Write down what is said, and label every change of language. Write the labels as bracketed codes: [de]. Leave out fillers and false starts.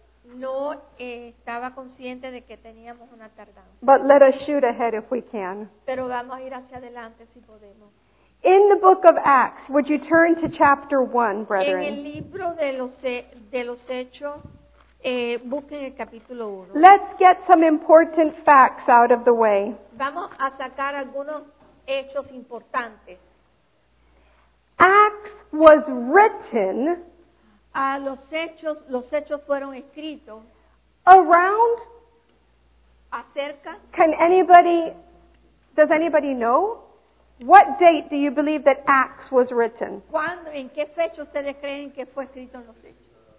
[es] No estaba consciente de que teníamos una tardanza. [en] But let us shoot ahead if we can. [es] Pero vamos a ir hacia adelante si podemos. [en] In the book of Acts, would you turn to chapter 1, brethren? [es] En el libro de los Hechos, busquen el capítulo 1. [en] Let's get some important facts out of the way. [es] Vamos a sacar algunos hechos importantes. [en] Acts was written. [es] Los hechos fueron escritos. [en] Around. [es] Acerca. [en] Can anybody? Does anybody know? What date do you believe that Acts was written? [es] ¿Cuándo, en qué fecha ustedes creen que fue escrito en los hechos?